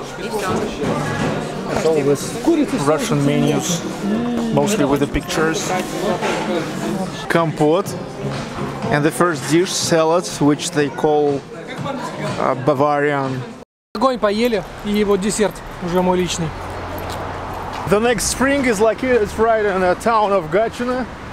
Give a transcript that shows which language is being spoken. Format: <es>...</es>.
<en>It's all with Russian menus, mostly with the pictures.</en> <ru>Компот.</ru> <en>And the first dish, salad, which they call Bavarian.</en> <ru>Огонь поели, и вот десерт уже мой личный.</ru> <en>The next spring is like it's right in the town of Gatchina.</en>